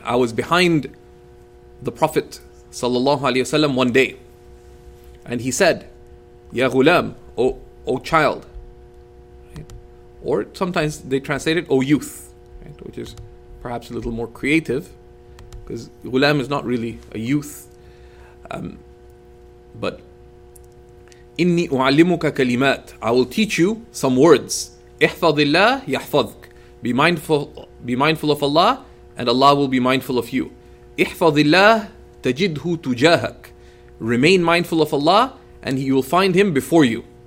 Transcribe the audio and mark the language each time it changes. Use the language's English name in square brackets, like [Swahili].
[English] I was behind the Prophet [Arabic] صلى الله عليه وسلم [English] one day. And he said, [Arabic] يَا غُلَام, [English] O child. Or sometimes they translate it, O youth. Right? Which is perhaps a little more creative, because غُلَام is not really a youth. But [Arabic] إني أعلمك كلمات. [English] I will teach you some words. [Arabic] احفظ الله يحفظك. [English] Be mindful of Allah, and Allah will be mindful of you. [Arabic] احفظ الله تجده تجاهك. [English] Remain mindful of Allah, and you will find Him before you.